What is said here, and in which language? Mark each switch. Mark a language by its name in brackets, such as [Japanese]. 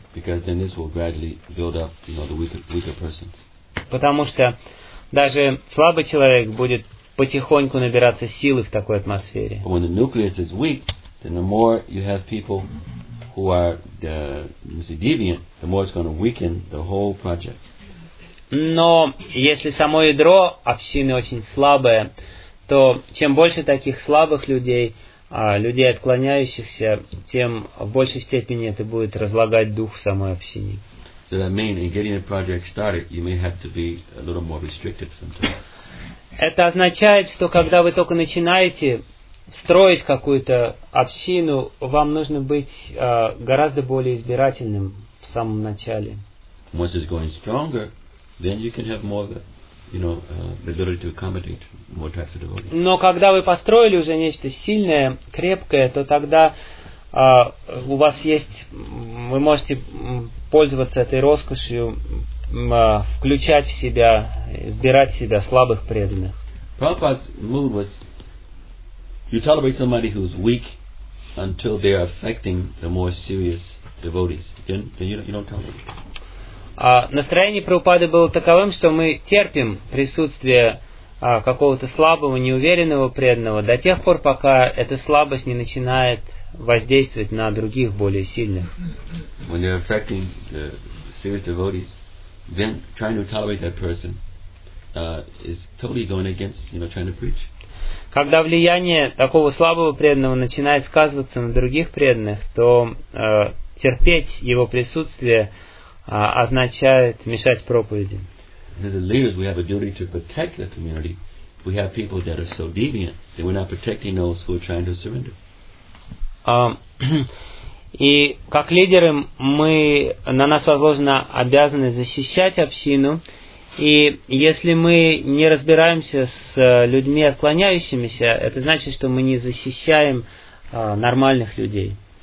[English] Because then this will gradually build up, you know, the weaker persons. [Russian] Потому что даже слабый человек будет потихоньку набираться силы в такой атмосфере. [English] But when the nucleus is weak, then the more you have people who are deviant, the more it's going to weaken the whole project. [Russian] Но если само ядро общины очень слабое, то чем больше таких слабых людей, людей отклоняющихся, тем в большей степени это будет разлагать дух самой общины. [English] So that means in getting a project started, you may have to be a little more restrictive sometimes. [Russian] Это означает, что когда вы только начинаете строить какую-то общину, вам нужно быть гораздо более избирательным в самом начале. [English] Once it's going stronger, then you can have more, you know, the ability to accommodate more types of devotees. [Russian] Но когда вы построили уже нечто сильное, крепкое, то тогда у вас есть, вы можете пользоваться этой роскошью, включать в себя, избирать в себя слабых преданных. [English] Prabhupada's mood was, you tolerate somebody who's weak until they are affecting the more serious devotees. Then you don't tolerate. [Russian] Настроение Прабхупады было таковым, что мы терпим присутствие какого-то слабого, неуверенного преданного до тех пор, пока эта слабость не начинает воздействовать на других, более сильных. [English] When they're affecting the serious devotees, then trying to tolerate that person is totally going against, you know, trying to preach. [Russian] Когда влияние такого слабого преданного начинает сказываться на других преданных, то терпеть его присутствие означает мешать проповеди. [English] As leaders, we have a duty to protect the community. We have people that are so deviant that we're not protecting those who are trying to surrender. [Russian] И как лидеры, на нас возложена обязанность защищать общину. И если мы не разбираемся с людьми, отклоняющимися, это значит, что мы не защищаем нормальных людей.